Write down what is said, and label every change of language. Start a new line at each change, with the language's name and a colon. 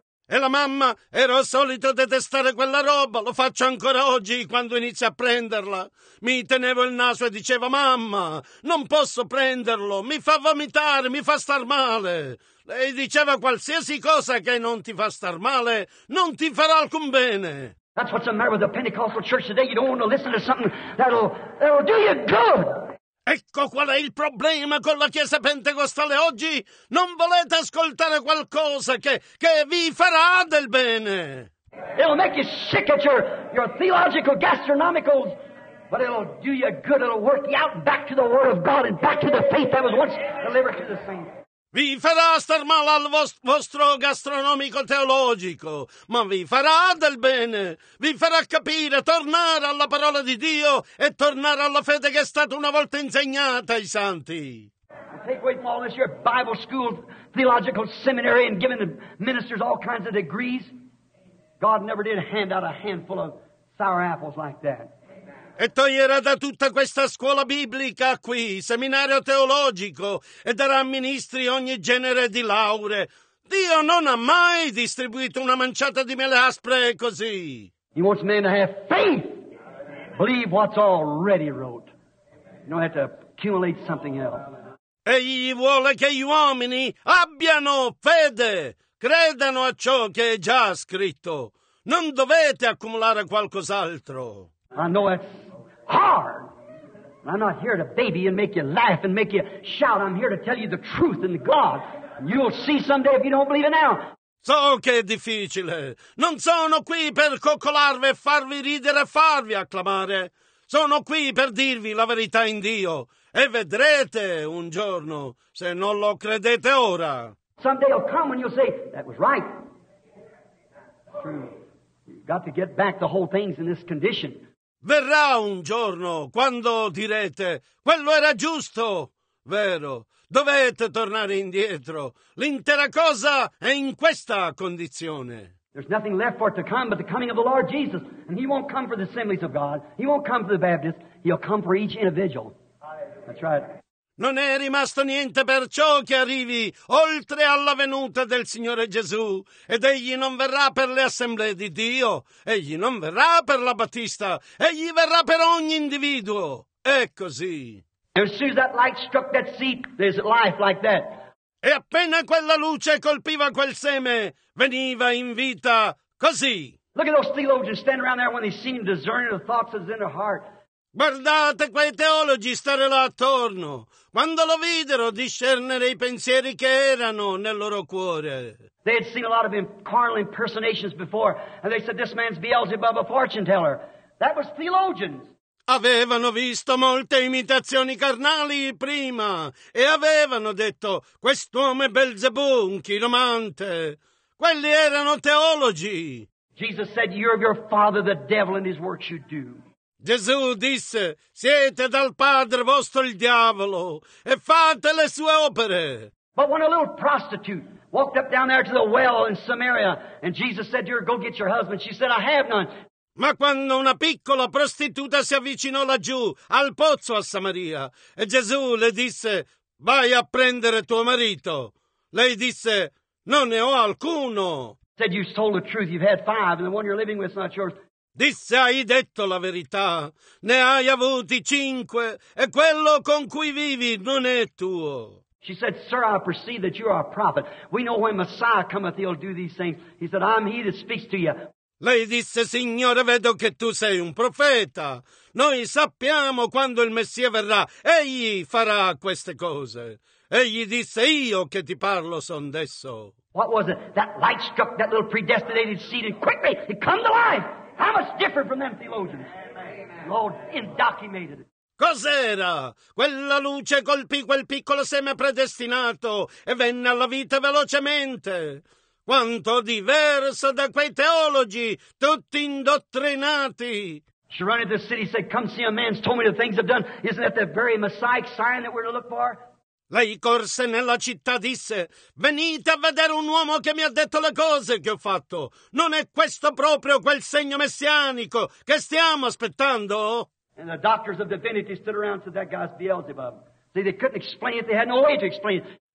Italian: E la mamma, ero solito detestare quella roba, lo faccio ancora oggi quando inizio a prenderla. Mi tenevo il naso e dicevo, mamma, non posso prenderlo, mi fa vomitare, mi fa star male. Lei diceva, qualsiasi cosa che non ti fa star male, non ti farà alcun bene.
English: That's what's the matter with the Pentecostal church today. You don't want to listen to something that'll do you good.
Italian: Ecco qual è il problema con la Chiesa Pentecostale oggi. Non volete ascoltare qualcosa che vi farà del bene.
English: It'll make you sick at your theological gastronomicals, but it'll do you good. It'll work you out back to the Word of God and back to the faith that was once delivered to the saints.
Italian: Vi farà star male al vostro gastronomico teologico, ma vi farà del bene. Vi farà capire, tornare alla parola di Dio e tornare alla fede che è stata una volta insegnata ai santi.
English: Take away from all this your Bible school, theological seminary, and giving the ministers all kinds of degrees. God never did hand out a handful of sour apples like that.
Italian: E toglierà da tutta questa scuola biblica qui, seminario teologico, e darà a ministri ogni genere di lauree. Dio non ha mai distribuito una manciata di mele aspre così.
English: He wants men to have faith, believe what's already wrote. You don't have to accumulate something else.
Italian: Egli vuole che gli uomini abbiano fede, credano a ciò che è già scritto. Non dovete accumulare qualcos'altro.
English: I know it's hard. I'm not here to baby and make you laugh and make you shout. I'm here to tell you the truth and God. You'll see someday if you don't believe it now.
Italian: So che è difficile. Non sono qui per coccolarvi e farvi ridere e farvi acclamare. Sono qui per dirvi la verità in Dio. E vedrete un giorno se non lo credete ora.
English: Someday will come when you'll say, that was right. True. You've got to get back the whole things in this condition.
Italian: Verrà un giorno quando direte, quello era giusto, vero, dovete tornare indietro, l'intera cosa è in questa condizione.
English: There's nothing left for it to come but the coming of the Lord Jesus, and he won't come for the assemblies of God, he won't come for the Baptists, he'll come for each individual. That's right.
Italian: Non è rimasto niente per ciò che arrivi oltre alla venuta del Signore Gesù. Ed egli non verrà per le assemblee di Dio. Egli non verrà per la Battista. Egli verrà per ogni individuo. È così.
English: As soon as that light struck that seed, there's life like that.
Italian: E appena quella luce colpiva quel seme, veniva in vita così.
English: Look at those theologians standing around there when they seem discerning the thoughts that's in their heart.
Italian: Guardate quei teologi stare là attorno, quando lo videro discernere i pensieri che erano nel loro cuore.
English: They had seen a lot of carnal impersonations before, and they said, this man's Beelzebub, a fortune teller. That was theologians.
Italian: Avevano visto molte imitazioni carnali prima, e avevano detto, quest'uomo è Beelzebù, un chiromante. Quelli erano teologi.
English: Jesus said, you're of your father the devil, and his works you do.
Italian: Gesù disse, siete dal padre vostro il diavolo e fate le sue opere.
English: But when a little prostitute walked up down there to the well in Samaria and Jesus said to her, go get your husband, she said, I have none.
Italian: Ma quando una piccola prostituta si avvicinò laggiù al pozzo a Samaria e Gesù le disse, vai a prendere tuo marito. Lei disse, non ne ho alcuno.
English: Said you told the truth, you've had five and the one you're living with is not yours.
Italian: Disse, hai detto la verità, ne hai avuti cinque, e quello con cui vivi non è tuo.
English: She said, sir, I perceive that you are a prophet. We know when Messiah cometh, he'll do these things. He said, I'm he that speaks to you.
Italian: Lei disse, signore, vedo che tu sei un profeta. Noi sappiamo quando il Messia verrà, egli farà queste cose. Egli disse, io che ti parlo son d'esso.
English: What was it? That light struck that little predestinated seed, and quickly it come to life. How much different from them theologians? Lord, indoctrinated.
Italian: Cos'era? Quella luce colpì quel piccolo seme predestinato e venne alla vita velocemente. Quanto diverso da quei teologi, tutti indottrinati.
English: She ran into the city and said, come see a man who's told me the things I've done. Isn't that the very messiah sign that we're to look for?
Italian: Lei corse nella città e disse, venite a vedere un uomo che mi ha detto le cose che ho fatto. Non è questo proprio quel segno messianico che stiamo aspettando?
English: And the doctors of divinity stood around and said, that guy's Beelzebub. See, they couldn't explain it, they had no way to explain it.